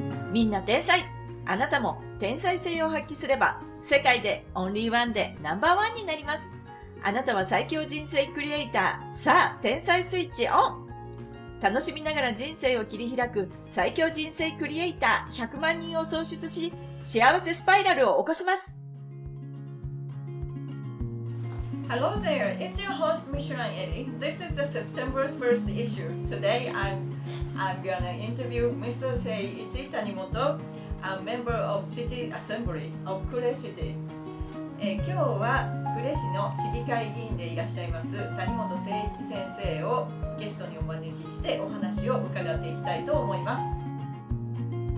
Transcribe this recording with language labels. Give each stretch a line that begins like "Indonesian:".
Japanese: みんな天才、あなたも天才性を発揮すれば世界でオンリーワンでナンバーワンになります。あなたは最強人生クリエイター。さあ天才スイッチオン。楽しみながら人生を切り開く最強人生クリエイター100万人を創出し、幸せスパイラルを起こします。
English: Hello there, it's your host Michelin Eddie. This is the September 1st issue. Today I'm gonna interview Mr. Seiichi Tanimoto, a member of City Assembly of Kure City.
Japanese: 今日は呉市の市議会議員でいらっしゃいます谷本誠一先生をゲストにお招きしてお話を伺っていきたいと思います。